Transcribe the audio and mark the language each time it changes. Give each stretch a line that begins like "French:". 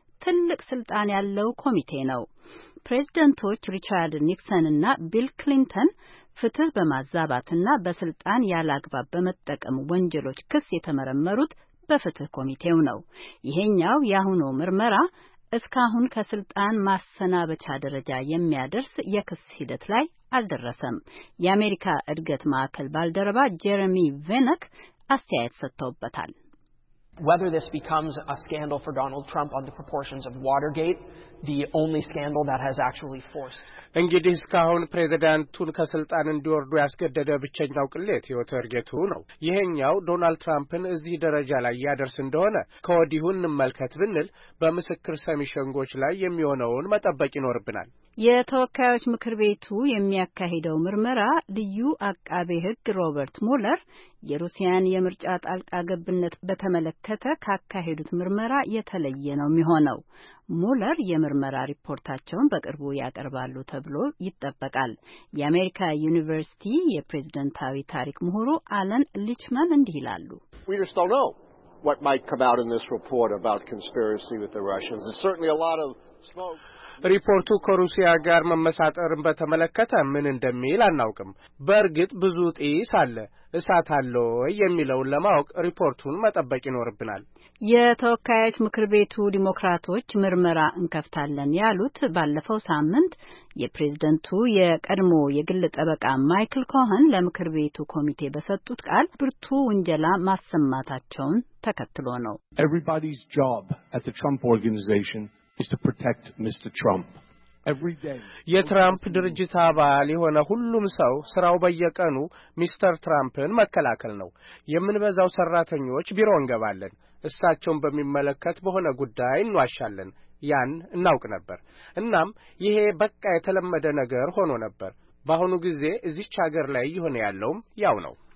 Amharic: ትልቅ ስልጣን ያለው ኮሚቴ ነው። ፕሬዝዳንቶች ሪቻርድ ኒክሰን እና ቢል ክሊንተን ፍትህ በማዛባትና በስልጣን ያላግባብ በመጠቀም ወንጀሎች ክስ የተመረመሩት በፍትህ ኮሚቴው ነው። ይሄኛው ያሁኑ ምርመራ እስካሁን ከስልጣን ማሰናበቻ ደረጃ የሚያደርስ የክስ ሂደት ላይ አልደረሰም። የአሜሪካ እድገት ማዕከል ባልደረባ ጀረሚ ቬነክ አስተያየት ሰጥቶበታል።
English: Whether this becomes a scandal for Donald Trump on the proportions of Watergate, the only scandal that has actually forced
Amharic: እንግዲህ እስካሁን ፕሬዝዳንቱን ከስልጣን እንዲወርዱ ያስገደደ ብቸኛው ቅሌት የዋተርጌቱ ነው። ይሄኛው ዶናልድ ትራምፕን እዚህ ደረጃ ላይ ያደርስ እንደሆነ ከወዲሁን መልከት ብንል በመስክር ሰሚሽንጎች ላይ የሚሆነውን መጠበቅ ይኖርብናል። የተወካዮች ምክር ቤቱ የሚያካሂደው ምርመራ ልዩ አቃቤ ሕግ ሮበርት ሙለር የሩሲያን የምርጫ ጣልቃ ገብነት በተመለከተ ካካሄዱት ምርመራ የተለየ ነው የሚሆነው። ሙለር የምርመራ ሪፖርታቸውን በቅርቡ ያቀርባሉ ተብሎ ይጠበቃል። የአሜሪካ ዩኒቨርሲቲ የፕሬዝዳንታዊ ታሪክ ምሁሩ አለን ሊችማን እንዲህ ይላሉ።
English: We just don't know what might come out in this report about conspiracy with the Russians. There's certainly a lot of smoke.
Amharic: ሪፖርቱ ከሩሲያ ጋር መመሳጠርን በተመለከተ ምን እንደሚል አናውቅም። በርግጥ ብዙ ጥይስ አለ እሳት አለ የሚለው ለማወቅ ሪፖርቱን መጠበቅ ይኖርብናል። የተወካዮች ምክር ቤቱ ዲሞክራቶች ምርመራ እንከፍታለን ያሉት ባለፈው ሳምንት የፕሬዝዳንቱ የቀድሞ የግል ጠበቃ ማይክል ኮሆን ለምክር ቤቱ ኮሚቴ በሰጡት ቃል ብርቱ ወንጀላ ማሰማታቸውን ተከትሎ ነው።
English: Everybody's job at the Trump organization is to protect Mr. Trump every day.
Amharic: የትራምፕ ድርጅት አባል የሆነ ሁሉም ሰው ስራው በየቀኑ ሚስተር ትራምፕን መከላከል ነው። የምንበዛው ሰራተኞች ቢሮን ገባለን። እሳቸውን በሚመለከት በሆነ ጉዳይ እንዋሻለን። ያን እናውቅ ነበር። እናም ይሄ በቃ የተለመደ ነገር ሆኖ ነበር። በአሁኑ ጊዜ እዚች ሀገር ላይ ይሆነ ያለውም ያው ነው።